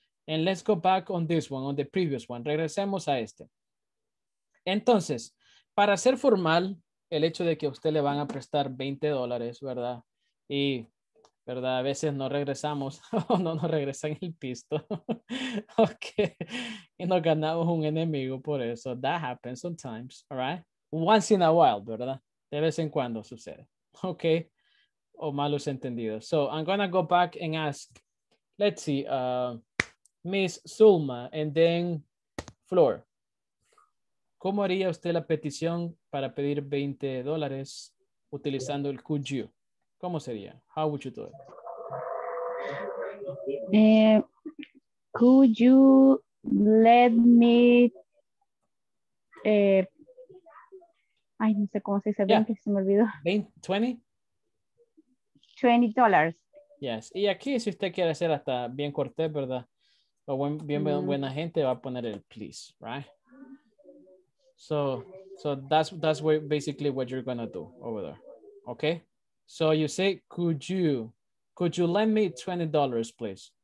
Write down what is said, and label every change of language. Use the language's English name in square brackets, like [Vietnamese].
[English] And let's go back on this one, on the previous one. [Spanish] Regresemos a este. Entonces, para ser formal, el hecho de que a usted le van a prestar $20, ¿verdad? Y, ¿verdad? A veces no regresamos o no nos regresan el pisto. Ok. Y nos ganamos un enemigo por eso. [English] That happens sometimes, all right? Once in a while, ¿verdad? [Spanish] De vez en cuando sucede. Ok. O malos entendidos. [English] So, I'm going to go back and ask, let's see, Miss Zulma, and then Flor. [Spanish] ¿Cómo haría usted la petición para pedir $20 utilizando el could you? ¿Cómo sería? [English] How would you do it? Could you let me... [Spanish] ay, no sé cómo se dice 20, yeah. Se me olvidó. [English] 20, 20? $20. Yes. [Spanish] Y aquí, si usted quiere ser hasta bien cortés, ¿verdad? O bien buena gente, va a poner el please, right? [English] So that's what, basically what you're going to do over there, okay? So you say, could you lend me $20, please?